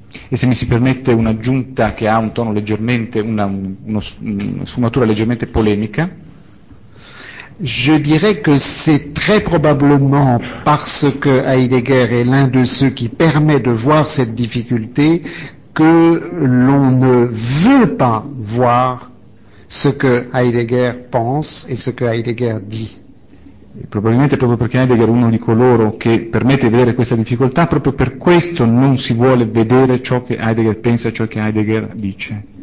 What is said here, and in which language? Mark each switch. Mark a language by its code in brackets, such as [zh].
[it] E se mi si permette un'aggiunta che ha un tono leggermente, una sfumatura leggermente polemica. [fr] Je dirais que c'est très probablement parce que Heidegger est l'un de ceux qui permet de voir cette difficulté que l'on ne veut pas voir ce que Heidegger pense et ce que Heidegger dit. [it] Probabilmente proprio perché Heidegger è uno di coloro che permette di vedere questa difficoltà, proprio per questo non si vuole vedere ciò che Heidegger pensa, ciò che Heidegger dice.